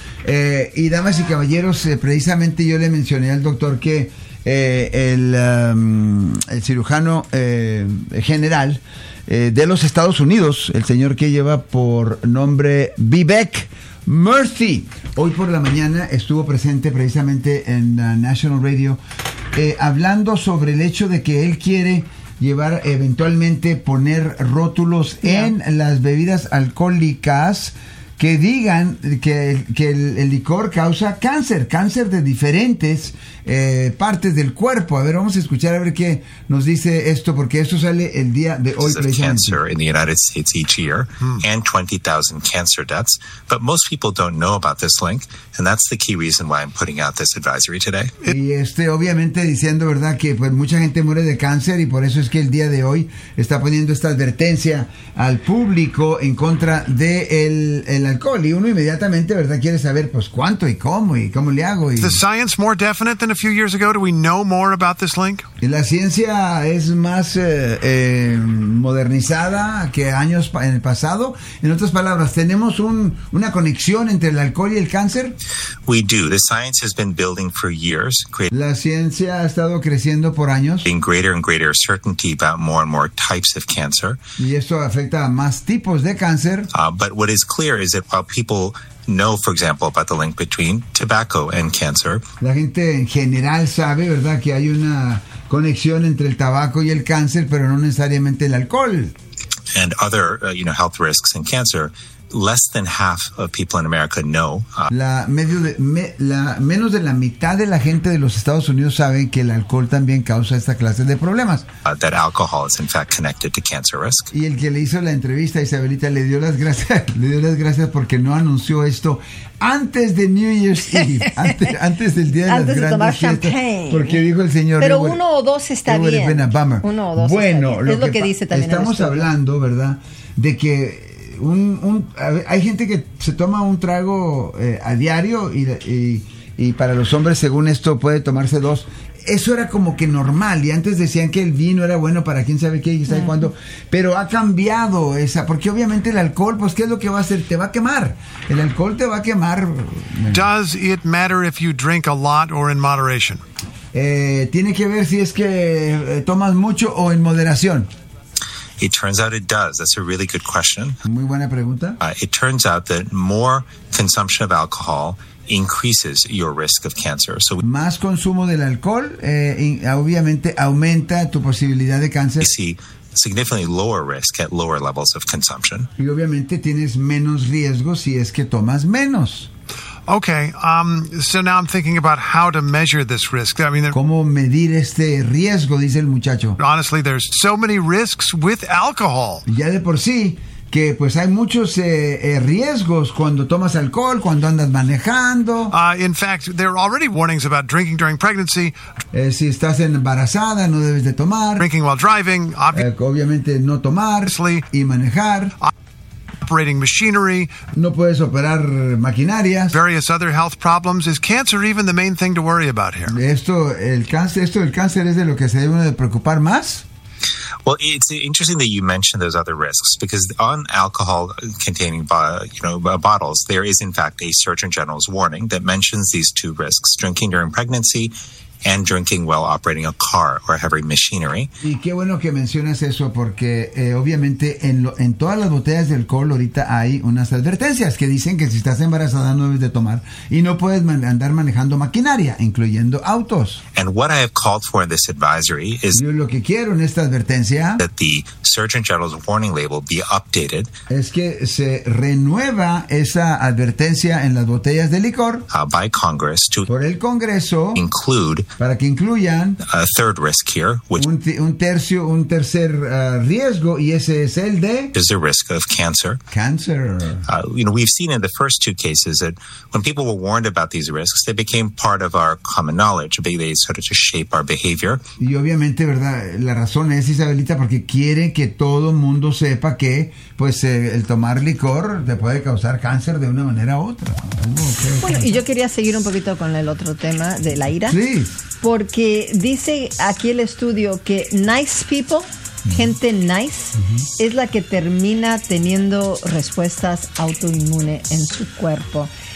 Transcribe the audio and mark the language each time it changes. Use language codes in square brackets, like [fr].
[es] Y damas y caballeros, precisamente yo le mencioné al doctor que el cirujano general de los Estados Unidos, el señor que lleva por nombre Vivek Murthy, hoy por la mañana estuvo presente precisamente en National Radio hablando sobre el hecho de que él quiere llevar, eventualmente poner rótulos en las bebidas alcohólicas que digan que el licor causa cáncer de diferentes partes del cuerpo. A ver, vamos a escuchar a ver qué nos dice esto, porque esto sale el día de hoy precisamente. [en] Cancer in the United States each year and 20,000 cancer deaths, but most people don't know about this link, and that's the key reason why I'm putting out this advisory today. [es] Y obviamente diciendo, ¿verdad?, que pues mucha gente muere de cáncer y por eso es que el día de hoy está poniendo esta advertencia al público en contra de el alcohol, y uno inmediatamente, ¿verdad?, quiere saber pues cuánto y cómo le hago. [en] The science more definite than a few years ago, do we know more about this link? [es] Y la ciencia es más modernizada que años en el pasado. En otras palabras, ¿tenemos una conexión entre el alcohol y el cáncer? [en] We do. The science has been building for years. [es] La ciencia ha estado creciendo por años. [en] In greater and greater certainty about more and more types of cancer. [es] Y esto afecta a más tipos de cáncer. [en] But what is clear is that while people know, for example, about the link between tobacco and cancer. [es] La gente en general sabe, ¿verdad?, que hay una conexión entre el tabaco y el cáncer, pero no necesariamente el alcohol. [en] And other, health risks and cancer. Less than half of people in America know. [es] Menos de la mitad de la gente de los Estados Unidos saben que el alcohol también causa esta clase de problemas. [en] That alcohol is in fact connected to cancer risk. [es] Y el que le hizo la entrevista, Isabelita, le dio las gracias porque no anunció esto antes de [en] New Year's Eve, [es] antes del día de antes las de grandes tomar fiestas, champagne. Porque dijo el señor. Pero uno o dos está bien. [en] Been a bummer. [es] Uno o dos. Bueno, está bien. Lo es lo que dice también. Estamos hablando, ¿verdad?, de que hay gente que se toma un trago a diario y para los hombres, según esto, puede tomarse dos. Eso era como que normal, y antes decían que el vino era bueno para quién sabe qué y sabe cuándo, pero ha cambiado esa, porque obviamente el alcohol, pues ¿qué es lo que va a hacer? Te va a quemar. El alcohol te va a quemar. [en] Does it matter if you drink a lot or in moderation? [es] Tiene que ver si es que tomas mucho o en moderación. [en] It turns out it does. That's a really good question. [es] Muy buena pregunta. [en] It turns out that more consumption of alcohol increases your risk of cancer. [es] So más consumo del alcohol obviamente aumenta tu posibilidad de cáncer. [en] We see significantly lower risk at lower levels of consumption. [es] Y obviamente tienes menos riesgo si es que tomas menos. [en] Okay, so now I'm thinking about how to measure this risk. I mean, [es] ¿cómo medir este riesgo?, dice el muchacho. [en] Honestly, there's so many risks with alcohol. [es] Ya de por sí, que pues hay muchos riesgos cuando tomas alcohol, cuando andas manejando. [en] In fact, there are already warnings about drinking during pregnancy. [es] Si estás embarazada, no debes de tomar. [en] Drinking while driving. [es] Obviamente no tomar. [en] Honestly, [es] y manejar. [en] Operating machinery. [es] No puedes operar maquinarias. [en] Various other health problems. Is cancer even the main thing to worry about here? [es] Esto del cáncer es de lo que se debe de preocupar más. [en] Well, it's interesting that you mentioned those other risks, because on alcohol-containing bottles, there is in fact a Surgeon General's warning that mentions these two risks: drinking during pregnancy and drinking while operating a car or heavy machinery. [es] Y qué bueno que mencionas eso, porque obviamente en todas las botellas de alcohol ahorita hay unas advertencias que dicen que si estás embarazada no debes de tomar y no puedes andar manejando maquinaria, incluyendo autos. [en] And what I have called for in this advisory is [es] yo lo que quiero en esta advertencia [en] that the Surgeon General's warning label be updated. [es] Es que se renueva esa advertencia en las botellas de licor [en] by Congress to [es] por el Congreso [en] include [es] para que incluyan [en] a third risk here, which [es] un tercer riesgo, y ese es el de [en] is the risk of cancer. Cancer. We've seen in the first two cases that when people were warned about these risks, they became part of our common knowledge. They started to shape our behavior. [es] Y obviamente, ¿verdad?, la razón es, Isabelita, porque quiere que todo mundo sepa que pues el tomar licor te puede causar cáncer de una manera u otra. Bueno, y yo quería seguir un poquito con el otro tema de la ira. Sí. Porque dice aquí el estudio que [en] nice people, [es] gente nice, es la que termina teniendo respuestas autoinmunes en su cuerpo.